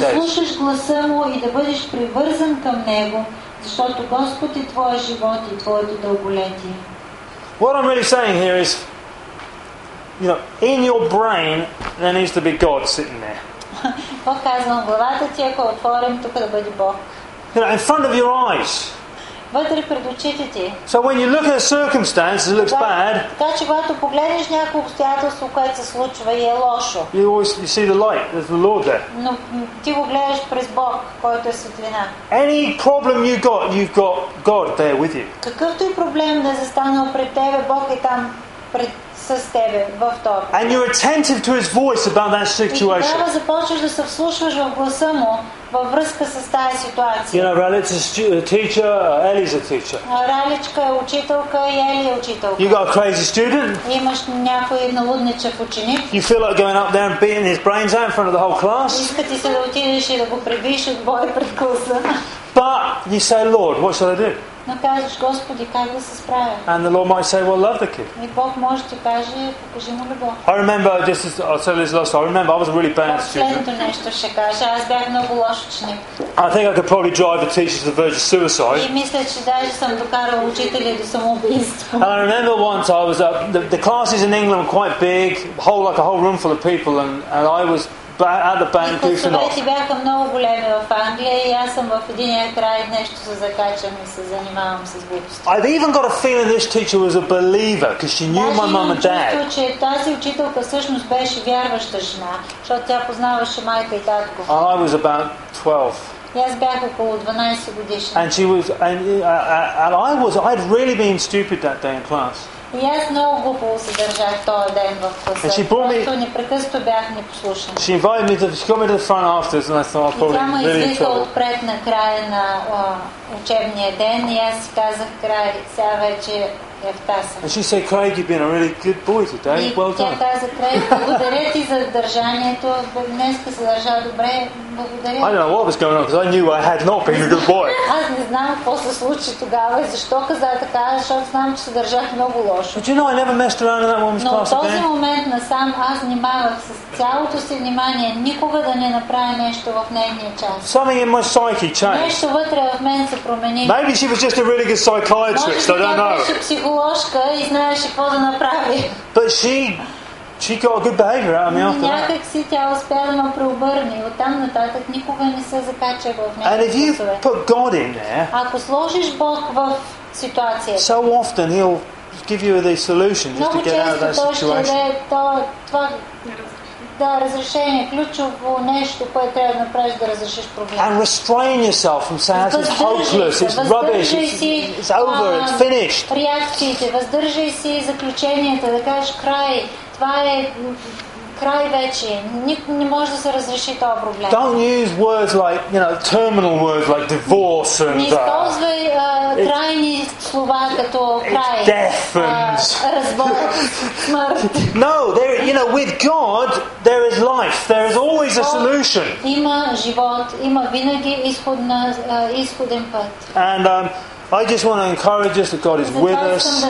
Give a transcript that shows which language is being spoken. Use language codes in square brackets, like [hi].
[bg] Да слушаш гласа му и да бъдеш привързан към него, защото Господ е твоя живот и твоето дълголетие. [en] What I'm really saying here is, you know, in your brain there needs to be God sitting there. [bg] Бог казва, в главата ти, ако отворим, тук да бъде Бог. [en] You know, in front of your eyes. [bg] Вътре пред очите ти. [en] So when you look at a circumstance, it looks bad. [bg] Така че когато погледнеш някакво обстоятелство, което се случва и е лошо. [en] You see the light, there's the Lord there. [bg] Но ти го гледаш през Бог, който е светлина. [en] Any problem you've got God there with you. [bg] Какъвто и проблем да е застанал пред тебе, Бог е там пред с тебе във вторник. [en] And you're attentive to his voice about that situation. [bg] И тогава започваш да се вслушваш в гласа му във връзка с тази ситуация. [en] You know, Ралич is a teacher, Ели's a teacher. [bg] Раличка е учителка и Ели е учителка. [en] You got a crazy student. [bg] Имаш някой налудничав ученик. [en] You feel like going up there and beating his brains out in front of the whole class. [bg] Искате се да отидеш и да го пребиеш от боя пред класа. [en] But you say, Lord, what shall I do? [bg] Но кажеш, Господи, как да се справя? [en] And the Lord might say, well, love the kid. [bg] И Бог може ти каже, покажи му любов. [en] I remember, this is, I'll tell this last story. I remember, I was a really bad student. [bg] Последното нещо ще кажа, аз бях много лош ученик. [en] I think I could probably drive the teacher to the verge of suicide. [bg] И мисля, че даже съм докарал учителя до самоубийство. [en] And I remember once I was the classes in England were quite big, whole like a whole room full of people, and I was at the band goofing off. [bg] Класовете бяха много големи в Англия и аз съм в един край нещо се закачам и се занимавам с глупости. [en] I've even got a feeling this teacher was a believer because she knew my mum and dad. [bg] Чувство, че тази учителка всъщност беше вярваща жена, защото тя познаваше майка и татко. [en] I was about 12. [bg] Аз бях около 12 годишен. [en] And she was, I'd really been stupid that day in class. [bg] И аз много глупо се държах този ден в класа. Просто непрекъснато бях непослушен. [en] She invited me to come to the front afterwards and I thought I'm probably really trouble. [bg] И тя ме извика отпред на края на учебния ден и аз си казах, край, сега вече е в таса. [en] And she said, Craig, you've been a really good boy today. Well done. [bg] И тя каза, Craig, благодаря ти за държанието. Днеска се държа добре. Благодаря. [en] I don't know what was going on because I knew I had not been a good boy. [bg] Аз не знам какво се случи тогава и защо каза така, защото знам, че се държах много лошо. [en] But you know, I never messed around in that woman's class again. [bg] Но в този момент насам аз внимавах с цялото си внимание никога да не направя нещо в нейния час. [en] Something in my psyche changed. [bg] Нещо вътре в мен се промени. [en] Maybe she was just a really good psychiatrist. I don't know. [bg] Може би беше психоложка и знаеше какво да направи. [en] But she got a good behavior out of me after that. [bg] Някак си тя успя да ме преобърне. Оттам нататък никога не се закача в нея. [en] And if you put God in there, [bg] ако сложиш Бог в ситуацията, [en] so often he'll give you the solution just to get out of that situation. [bg] Разрешение, ключово нещо, което трябва да направиш да разрешиш проблема. [en] And restrain yourself from saying it's hopeless, it's rubbish, it's over, it's finished. [bg] Реакциите, въздържай си заключенията, да кажеш край. Това е край вече. Никой не може да се разреши този проблем. [en] Don't use words like, you know, terminal words like divorce and [bg] не използвай крайни слова като край. [en] It's death and [bg] развод, смърт. [en] No, there, you know, with God there is life. There is always a solution. [bg] Има живот, има винаги изходен път. [en] And I just want to encourage us that God is with us.